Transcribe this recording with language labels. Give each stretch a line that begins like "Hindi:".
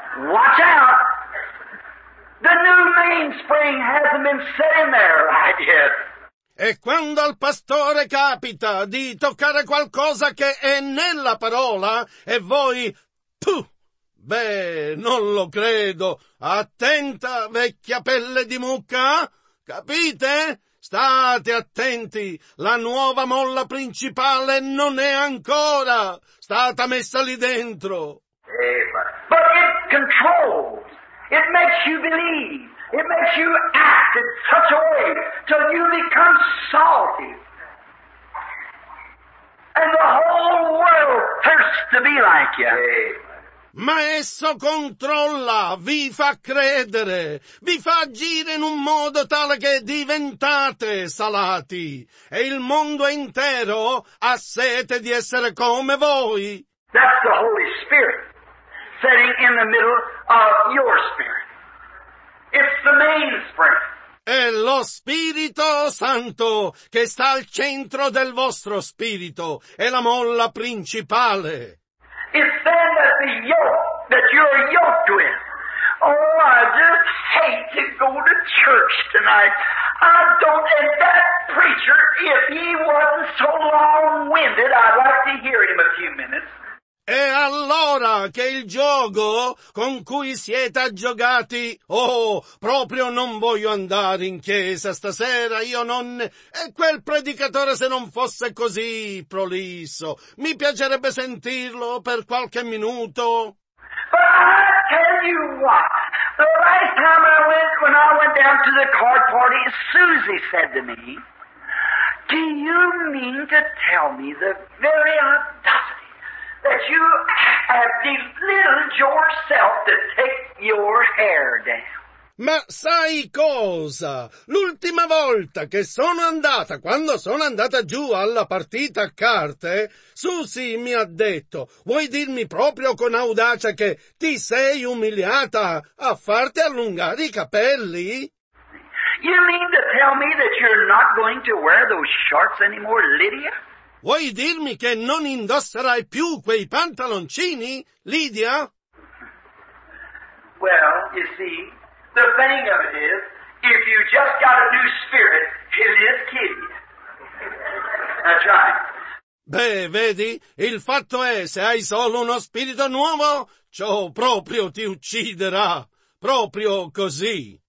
English: Watch out. The new mainspring hasn't been set in there right yet.
Italian: E quando al pastore capita di toccare qualcosa che è nella parola e voi, puh, beh, non lo credo, attenta vecchia pelle di mucca, capite? State attenti, la nuova molla principale non è ancora stata messa lì dentro.
English: But it controls, it makes you believe. It makes you act in such a way till you become salty. And the whole world thirsts to be like you.
Italian: Ma esso controlla, vi fa credere, vi fa agire in un modo tale che diventate salati. E il mondo intero ha sete di essere come voi.
English: That's the Holy Spirit sitting in the middle of your spirit. It's the mainspring.
Italian: È lo Spirito Santo che sta al centro del vostro spirito, è la molla principale.
English: It's then that the yoke that you're yoked with. Oh, I just hate to go to church tonight. I don't, and that preacher, if he wasn't so long-winded, I'd like to hear him a few minutes.
Italian: È allora che il giogo con cui siete aggiogati, oh, proprio non voglio andare in chiesa stasera, io non, e quel predicatore se non fosse così prolisso, mi piacerebbe sentirlo per qualche minuto.
English: But I'll tell you what, the last time I went, when I went down to the card party, Susie said to me, do you mean to tell me the very audacity that you have belittled yourself to take your hair down?
Italian: Ma sai cosa? L'ultima volta che sono andata, quando sono andata giù alla partita a carte, Susie mi ha detto, vuoi dirmi proprio con audacia che ti sei umiliata a farti allungare i capelli?
English: You mean to tell me that you're not going to wear those shorts anymore, Lydia?
Italian: Vuoi dirmi che non indosserai più quei pantaloncini, Lydia?
English: Well, you see, the thing of it is, if you just got a new spirit, it is kidding. That's right.
Italian: Beh, vedi, il fatto è, se hai solo uno spirito nuovo, ciò proprio ti ucciderà. Proprio così.